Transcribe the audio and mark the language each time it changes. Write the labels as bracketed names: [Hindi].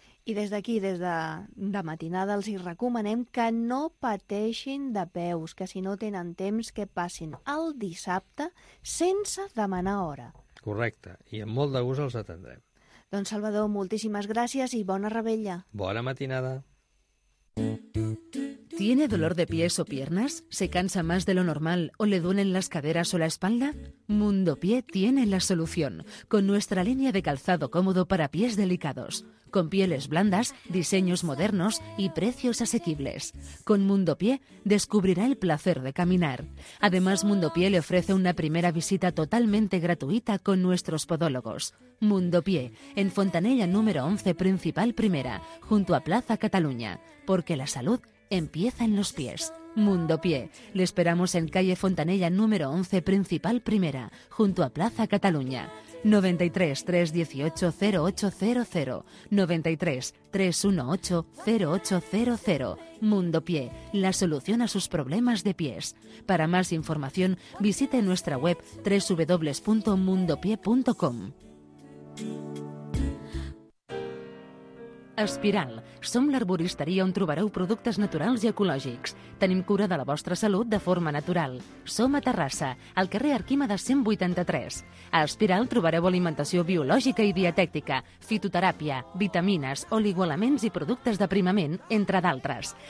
[Catalan] I des d'aquí, des de matinada, els hi recomanem que no pateixin de peus, que si no tenen temps, que passin el dissabte sense demanar hora. Correcte, i amb molt de gust els atendrem. Doncs, Salvador, moltíssimes gràcies i bona revetlla. Bona matinada. [Spanish] ¿Tiene dolor de pies o piernas? ¿Se cansa más de lo normal o le duelen las caderas o la espalda? Mundopie tiene la solución, con nuestra línea de calzado cómodo para pies delicados, con pieles blandas, diseños modernos y precios asequibles. Con Mundopie descubrirá el placer de caminar. Además, Mundopie le ofrece una primera visita totalmente gratuita con nuestros podólogos. Mundopie, en Fontanella número 11, principal primera, junto a Plaza Cataluña, porque la salud empieza en los pies. Mundopie. Le esperamos en calle Fontanella número 11, principal primera, junto a Plaza Cataluña. 93-318-0800. 93-318-0800. Mundo Pie, la solución a sus problemas de pies. Para más información, visite nuestra web www.mundopie.com. [Catalan] Espiral. Som l'arboristeria on trobareu productes naturals i ecològics. Tenim cura de la vostra salut de forma natural. Som a Terrassa, al carrer Arquímedes 183. A Espiral trobareu alimentació biològica i dietètica, fitoteràpia, vitamines, oligoelements i productes d'aprimament, entre d'altres.